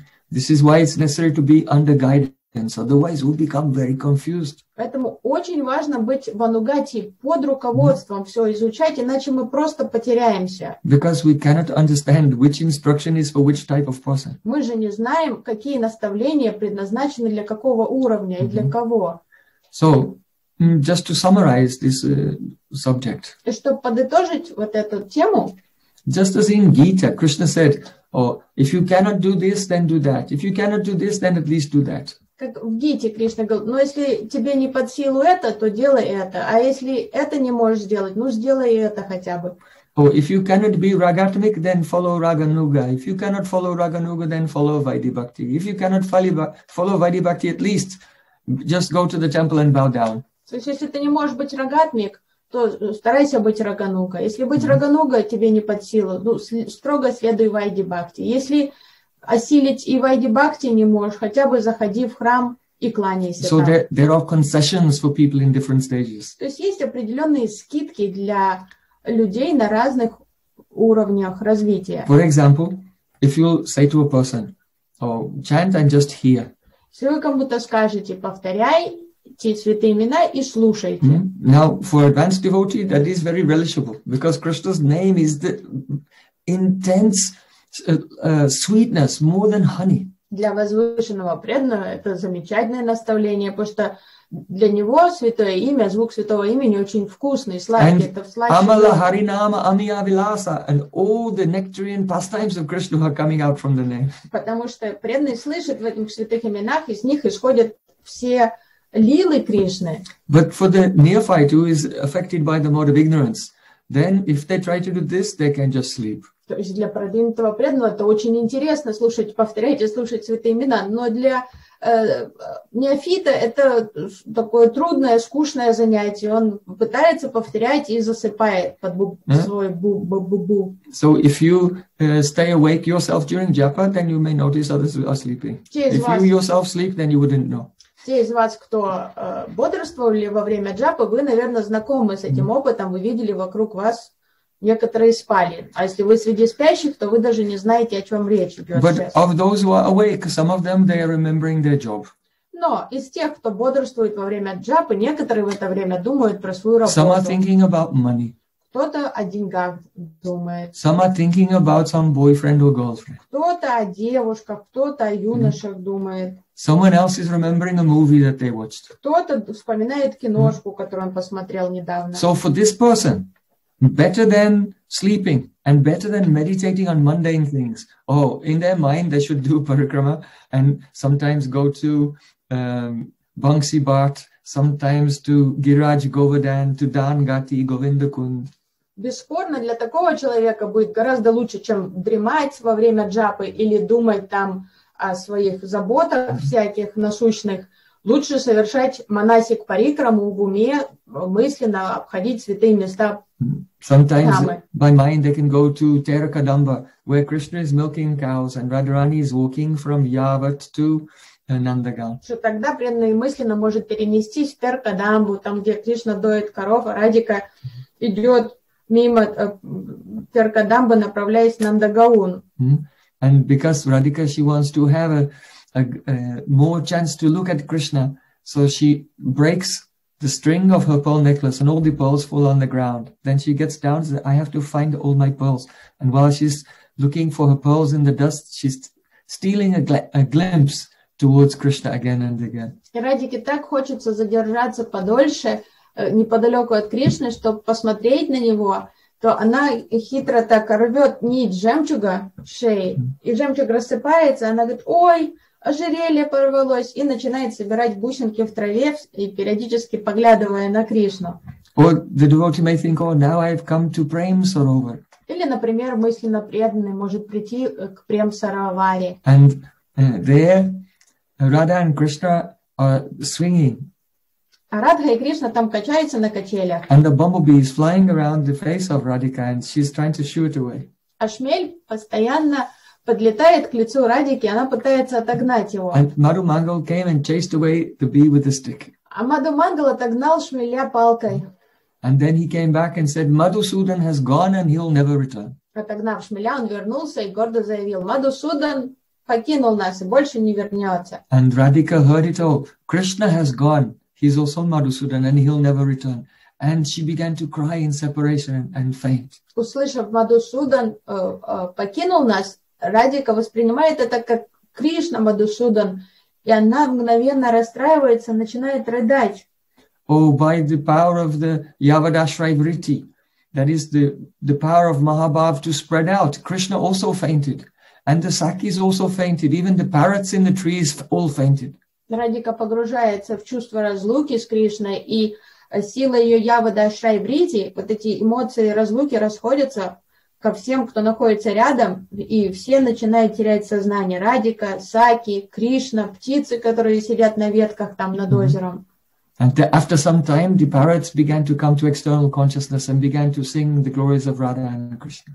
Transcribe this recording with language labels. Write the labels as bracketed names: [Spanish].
[English] This is why it's necessary to be under guidance, otherwise we'll become very confused. [Russian] Поэтому очень важно быть в Анугати под руководством, mm-hmm. все изучать, иначе мы просто потеряемся. [English] Because we cannot understand which instruction is for which type of person. [Russian] Мы же не знаем, какие наставления предназначены для какого уровня mm-hmm. и для кого. [English] So, just to summarize this subject. [Russian] И чтобы подытожить вот эту тему. [English] Just as in Gita, Krishna said, oh, if you cannot do this, then do that. If you cannot do this, then at least do that. [Russian] Как в Гите Кришна говорит, ну если тебе не под силу это, то делай это. А если это не можешь сделать, ну сделай это хотя бы. [English] Oh, if you cannot be ragatmik, then follow Raganuga. If you cannot follow Raganuga, then follow Vaidhi Bhakti. If you cannot follow Vaidhi Bhakti, at least just go to the temple and bow down. [Russian] То есть если ты не можешь быть рагатмик, то старайся быть Рагануга. Если быть mm-hmm. Рагануга тебе не под силу, ну строго следуй Вайди Бхакти. Если осилить и Вайди Бхакти не можешь, хотя бы заходи в храм и кланяйся. [English] So there are concessions for people in different stages. [Russian] То есть есть определенные скидки для людей на разных уровнях развития. [English] For example, if you say to a person, chant and just hear. [Russian] Если вы кому-то скажете, повторяй эти святые имена и слушайте. Mm-hmm. [English] Now, for advanced devotee, that is very relishable, because Krishna's name is the intense sweetness, more than honey. [Russian] Для возвышенного преданного это замечательное наставление, потому что для него святое имя, звук святого имени очень вкусный, сладкий. [English] And [Russian] это сладкий. [English] Amala Harinama Amiya Vilasa, and all the nectarian pastimes of Krishna are coming out from the name. [Russian] Потому что преданный слышит в этих святых именах, из них исходят все лилы Кришны. But for the neophyte who is affected by the mode of ignorance, then if they try to do this, they can just sleep. То есть для продвинутого преданного это очень интересно слушать, повторять и слушать святые имена, но для неофита это такое трудное, скучное занятие. Он пытается повторять и засыпает под свой бу-бу-бу. [English] So if you stay awake yourself during japa, then you may notice others are sleeping. If you yourself sleep, then you wouldn't know. [Russian] Те из вас, кто бодрствовали во время джапы, вы, наверное, знакомы с этим опытом. Вы видели вокруг вас некоторые спали. А если вы среди спящих, то вы даже не знаете, о чем речь идет. [English] But of those who are awake, some of them they are remembering their job. [Russian] Но из тех, кто бодрствует во время джапы, некоторые в это время думают про свою работу. [English] Some are thinking about money. [Russian] Кто-то о деньгах думает. [English] Some are thinking about some boyfriend or girlfriend. [Russian] Кто-то о девушках, кто-то о юношах думает. [English] Someone else is remembering a movie that they watched. [Russian] Кто-то вспоминает киношку, которую он посмотрел недавно. [English] So for this person, better than sleeping and better than meditating on mundane things. Oh, in their mind they should do parikrama and sometimes go to Bansi Bhat, sometimes to Giraj Govardhan, to Dan Gati, Govinda Kund. [Russian] Бесспорно, для такого человека будет гораздо лучше, чем дремать во время джапы или думать там о своих заботах всяких насущных. Лучше совершать манасик парикраму в уме, мысленно обходить святые места. [English] Sometimes by mind they can go to Terakadamba, where Krishna is milking cows and Radharani is walking from Yavat to Nandagam. [Russian] Что тогда преданный мысленно может перенестись в Теракадамбу, там где Кришна доит коров, а Радика идет мимо Теракадамбы, направляясь в Нандагаун. [English] And because Radhika, she wants to have a more chance to look at Krishna, so she breaks the string of her pearl necklace and all the pearls fall on the ground. Then she gets down and says, I have to find all my pearls. And while she's looking for her pearls in the dust, she's stealing a glimpse towards Krishna again and again. [Russian] Радике так хочется задержаться подольше, неподалеку от Кришны, чтобы посмотреть на него. то она хитро так рвет нить жемчуга шеи, и жемчуг рассыпается, она говорит, ой, ожерелье порвалось, и начинает собирать бусинки в траве, и периодически поглядывая на Кришну. [English] Or the devotee may think, oh, now I've come to Prem Sarovar. [Russian] Или, например, мысленно преданный может прийти к Прем Сароваре. [English] And there Radha and Krishna are swinging. [Russian] А Радха и Кришна там качаются на качелях. [English] And the bumblebee is flying around the face of Radhika and she's trying to shoo it away. [Russian] А шмель постоянно подлетает к лицу Радхики, она пытается отогнать его. [English] And Madhu Mangal came and chased away the bee with a stick. [Russian] А Мадху Мангал отогнал шмеля палкой. [English] And then he came back and said, Madhusudan has gone and he'll never return. [Russian] Отогнав шмеля, он вернулся и гордо заявил, Madhusudan покинул нас и больше не вернется. [English] And Radhika heard it all. Krishna has gone. He's also Madhusudan and he'll never return. And she began to cry in separation and faint. [Russian] Услышав Madhusudan покинул нас, Радика воспринимает это как Кришна Madhusudan. И она мгновенно расстраивается, начинает рыдать. [English] Oh, by the power of the Yavadashray Vritti, that is the power of Mahabhav to spread out, Krishna also fainted. And the Sakis also fainted. Even the parrots in the trees all fainted. [Russian] Радика погружается в чувство разлуки с Кришной, и сила ее Yavadashray Vritti, вот эти эмоции разлуки расходятся ко всем, кто находится рядом, и все начинают терять сознание. Радика, Саки, Кришна, птицы, которые сидят на ветках там над озером. [English] And after some time, the parrots began to come to external consciousness and began to sing the glories of Radha and Krishna.